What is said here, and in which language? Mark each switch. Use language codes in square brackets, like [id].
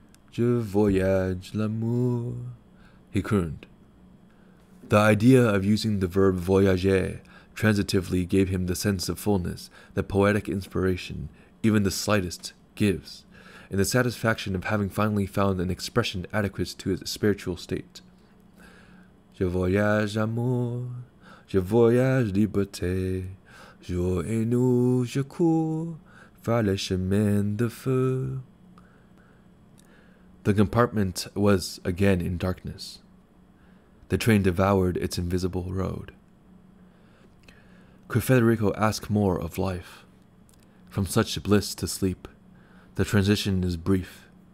[fr] Je voyage l'amour, [en] he crooned. The idea of using the verb voyager transitively gave him the sense of fullness that poetic inspiration, even the slightest, gives, and the satisfaction of having finally found an expression adequate to his spiritual state. [fr] Je voyage amour, je voyage liberté, jour et nuit je cours, par les chemins de feu. [en] The compartment was again in darkness. The train devoured its invisible road. Could Federico ask more of life? From such bliss to sleep, the transition is brief.